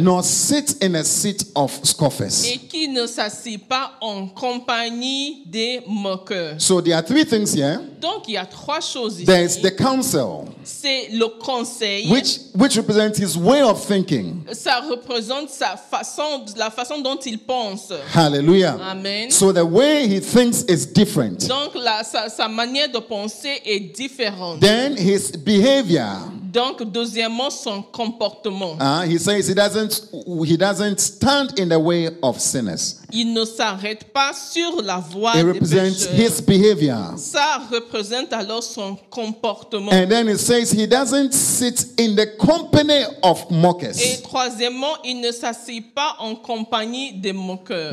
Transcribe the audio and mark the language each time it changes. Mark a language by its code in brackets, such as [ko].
[en] Nor sit in a seat of scoffers. [fr] Et qui ne s'assied pas en compagnie des moqueurs. [en] So there are three things here. [fr] Donc il y a trois choses ici. [en] There is the counsel. [fr] C'est le conseil. [en] Which represents his way of thinking. [fr] Ça représente sa façon, la façon dont il pense. [en] Hallelujah. Amen. So the way he thinks is different. [fr] Donc sa manière de penser est différente. [en] Then his behavior. [fr] Donc, deuxièmement, son comportement. [en] He says he doesn't stand in the way of sinners. [fr] Il ne s'arrête pas sur la voie des pécheurs. [en] It represents his behavior. [fr] Ça représente alors son comportement. [en] And then it says he doesn't sit in the company of mockers. [fr] Et troisièmement, il ne s'assied pas en compagnie des moqueurs.